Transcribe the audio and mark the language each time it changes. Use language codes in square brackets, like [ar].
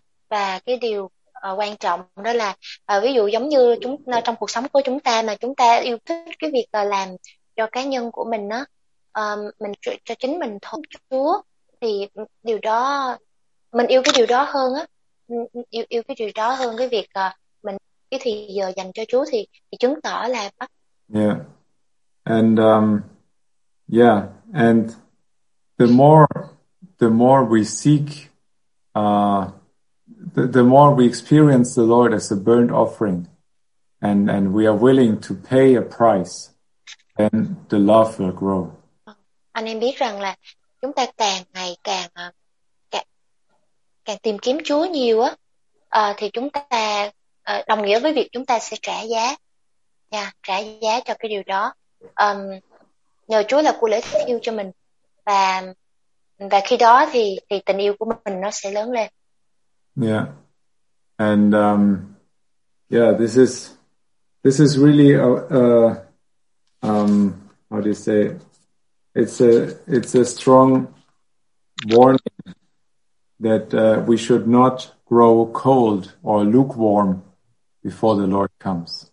[vi] Và cái điều quan trọng đó là ví dụ giống như chúng trong cuộc sống của chúng ta mà chúng ta yêu thích cái việc làm cho cá nhân của mình đó, mình cho chính mình thôi Chúa, thì điều đó mình yêu cái điều đó hơn á, yêu cái điều đó hơn cái việc mình cái thì giờ dành cho Chúa thì chứng tỏ là yeah. [en] And yeah, and the more we seek the more we experience the Lord as a burnt offering and we are willing to pay a price, then the love will grow. [vi] Anh em biết rằng là chúng ta càng ngày càng càng tìm kiếm Chúa nhiều á, thì chúng ta đồng nghĩa với việc chúng ta sẽ trả giá, trả giá cho cái điều đó. Nhờ Chúa là của lễ thiêu cho mình, và Và khi đó thì tình yêu của mình nó sẽ lớn lên. Yeah. [en] And this is really how do you say it? It's a strong warning that we should not grow cold or lukewarm before the Lord comes.